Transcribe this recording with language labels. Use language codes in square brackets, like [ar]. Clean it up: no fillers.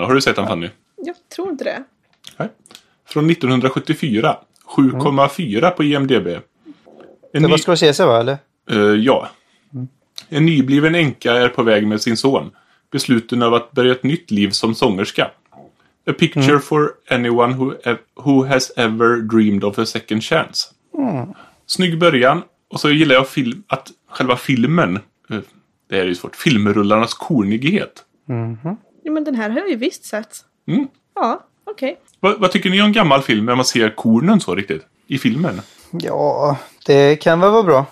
[sv] Har du sett den, Fanny? Jag tror inte det. Nej. Från 1974. 7,4 på IMDb. Vad ska du se sig, va, eller? Ja. Mm. En nybliven änka är på väg med sin son. Besluten av att börja ett nytt liv som sångerska. [en] A picture for anyone who has ever dreamed of a second chance. Mm. [sv] Snygg början. Och så gillar jag att själva filmen, det är ju svårt, filmrullarnas kornighet. Mm-hmm. Ja, men den här har jag ju visst sett. Mm. Ja, okej. Okay. Vad tycker ni om gammal film när man ser kornen så riktigt i filmen? Ja, det kan väl vara bra.